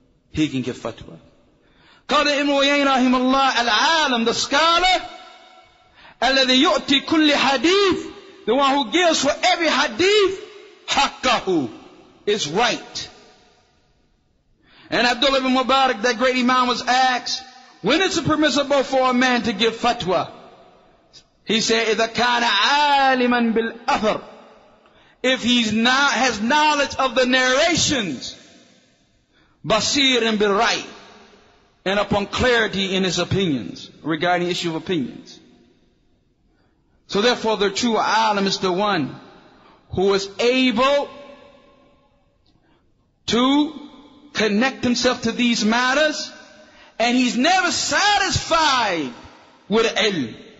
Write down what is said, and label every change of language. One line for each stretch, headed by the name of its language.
English: He can give fatwa.
Arabic: Qala ibn Uyayn rahimahullah, al-alam,
English: the scholar,
Arabic: alladhi yu'ti kulli hadith,
English: the one who gives for every hadith,
Arabic: haqqahu,
English: is right. And Abdullah ibn Mubarak, that great imam, was asked, when is it permissible for a man to give fatwa? He said,
Arabic: إِذَا كَانَ عَالِمًا بِالْأَثَرِ.
English: If he has knowledge of the narrations,
Arabic: بَصِيرٍ بِالْرَيْءٍ,
English: and upon clarity in his opinions, regarding the issue of opinions. So therefore the true alim is the one who is able to connect himself to these matters, and he's never satisfied with ilm.